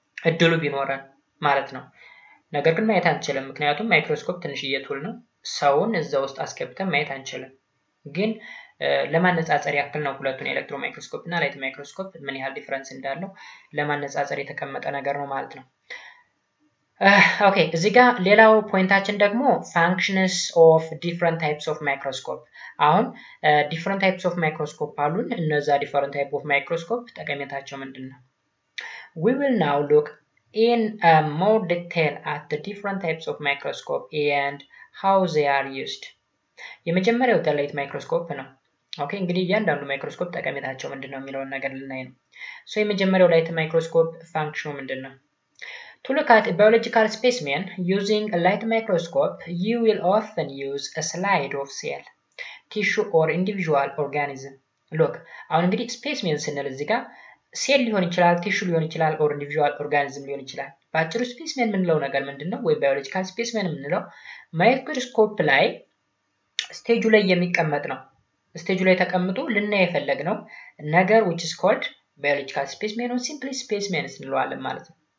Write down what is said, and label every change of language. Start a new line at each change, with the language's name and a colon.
Amharic: እድሉ ቢኖረን ማለት ነው። ነገር ግን ማየት አንችልም ምክንያቱም ማይክሮስኮፕ ትንሽዬ ቱል ነው። ሰውን እዛ ውስጥ አስገብተን ማየት አንችልም። ግን ለማነጻጸር ያክል ነው ሁለቱን ኤሌክትሮን ማይክሮስኮፕ እና ላይት ማይክሮስኮፕ ምን ያህል ዲፈረንስ እንዳለው ለማነጻጸር የተቀመጠ ነገር ነው ማለት ነው። ኦኬ እዚህ ጋር ሌላው ፖይንታችን ደግሞ
English: ፋንክሽንስ ኦፍ ዲፈረንት ታይፕስ ኦፍ ማይክሮስኮፕ።
Amharic: አሁን ዲፈረንት ታይፕስ ኦፍ ማይክሮስኮፕ አሉን። እነዛ ዲፈረንት ታይፕ ኦፍ ማይክሮስኮፕ ጠቀሜታቸው ምንድነው?
English: we will now look in more detail at the different types of microscope and how they are used.
Amharic: የመጀመሪያው ላይት ማይክሮስኮፕ ነው። ኦኬ እንግዲህ እያንዳንዱ ማይክሮስኮፕ ጠቀሜታቸው ምንድነው የሚለውን ነገር ልናይ ነው። ሶ የመጀመሪያው ላይት ማይክሮስኮፕ ፋንክሽኑ ምንድነው?
English: To look at a biological specimen using a light microscope, you will often use a slide of cell, tissue or individual organism.
Amharic: Look, አሁን እንግዲህ specimen ስንል እዚህ ጋር ሴል ሊሆን ይችላል፣ ቲሹ ሊሆን ይችላል
English: or individual organism
Amharic: ሊሆን ይችላል። ባጭሩ specimen የምንለው ነገር ምንድነው ወይ biological specimen የምንለው ማይክሮስኮፕ ላይ ስቴጁ ላይ የሚቀመጥ ነው። ስቴጁ ላይ ተቀምጦ ልናይ የፈለግነው ነገር
English: which is called biological specimen or simply specimen
Amharic: እንለዋለን ማለት ነው።